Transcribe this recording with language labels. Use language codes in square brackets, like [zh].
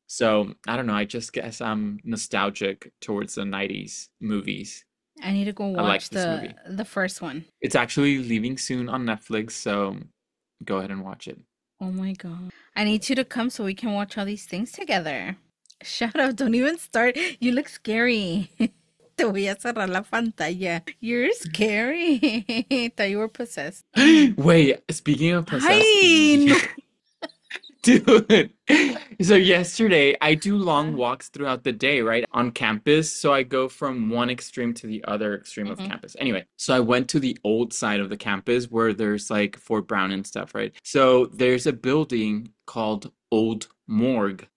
[en] So, I don't know, I just guess I'm nostalgic towards the 90s movies. I need to go I like watch this movie. the first one. It's actually leaving soon on Netflix, so go ahead and watch it. Oh my God. I need you to come so we can watch all these things together. Shut up, don't even start. You look scary. [es] Te voy a cerrar la pantalla. [en] You're scary. I thought you were possessed. Wait, speaking of possessed, [es] Ay, no. [en] dude. So yesterday, I do long walks throughout the day, right? On campus. So I go from one extreme to the other extreme of campus. Anyway, so I went to the old side of the campus where there's like Fort Brown and stuff, right? So there's a building called Old Morgue.